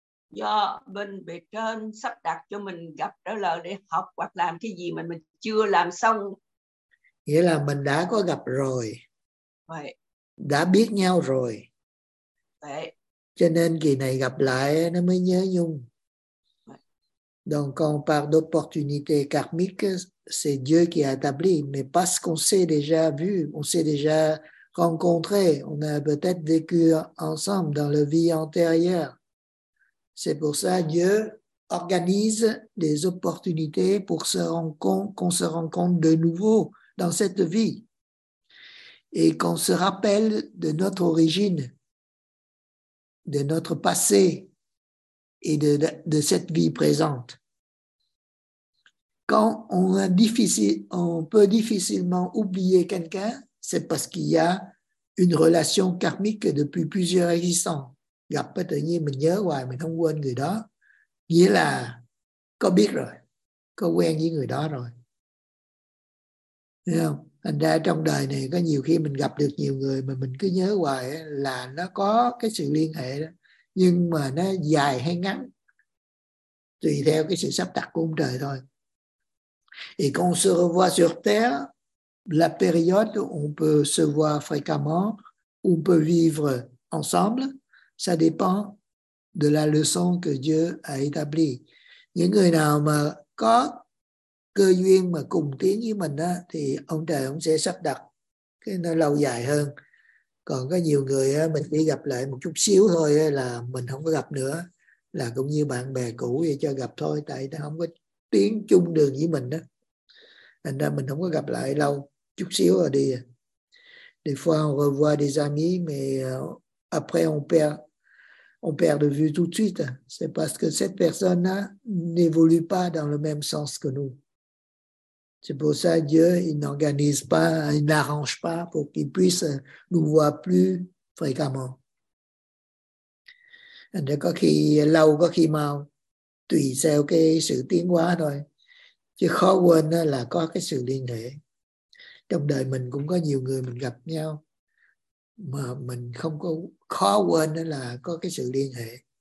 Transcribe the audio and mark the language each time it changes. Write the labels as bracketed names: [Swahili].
[Vietnamese] Do bên bề trên sắp đặt cho mình gặp trả lời để học hoặc làm cái gì mà mình chưa làm xong. Nghĩa là mình đã có gặp rồi. Vậy. Đã biết nhau rồi. Vậy. Cho nên kỳ này gặp lại nó mới nhớ nhung. Vậy. [French] Donc quand on parle d'opportunité karmique, c'est Dieu qui a établi, mais parce qu'on s'est déjà vu, on s'est déjà rencontrés, on a peut-être vécu ensemble dans la vie antérieure. C'est pour ça que Dieu organise des opportunités pour qu'on se rencontre de nouveau dans cette vie et qu'on se rappelle de notre origine, de notre passé et de cette vie présente. Quand on peut difficilement oublier quelqu'un, c'est parce qu'il y a une relation karmique depuis plusieurs existences. [Vietnamese] Gặp cái tự nhiên mình nhớ hoài, mình không quên người đó. Nghĩa là có biết rồi, có quen với người đó rồi. Thấy không? Thành ra trong đời này có nhiều khi mình gặp được nhiều người mà mình cứ nhớ hoài là nó có cái sự liên hệ đó. Nhưng mà nó dài hay ngắn, tùy theo cái sự sắp đặt của ông trời thôi. [French] Et qu'on se revoit sur Terre, la période où on peut se voir fréquemment, où on peut vivre ensemble, ça dépend de la leçon que Dieu a établie. [Vietnamese] Những người nào mà có cơ duyên mà cùng tiến với mình á, thì ông trời ông sẽ sắp đặt cái nó lâu dài hơn. Còn có nhiều người á, mình chỉ gặp lại một chút xíu thôi á, là mình không có gặp nữa. Là cũng như bạn bè cũ vậy, cho gặp thôi, tại nó không có tiến chung đường với mình đó. Thành ra mình không có gặp lại lâu, chút xíu rồi đi. [French] Des fois on revoit des amis, mais après on perd de vue tout de suite. C'est parce que cette personne-là n'évolue pas dans le même sens que nous. C'est pour ça que Dieu, il n'organise pas, il n'arrange pas pour qu'il puisse nous voir plus fréquemment. [Vietnamese] Thành ra có khi lâu, có khi mau, tùy theo cái sự tiến hóa thôi. Chứ khó quên là có cái sự liên hệ. Trong đời mình cũng có nhiều người mình gặp nhau mà mình không có khó quên là có cái sự liên hệ.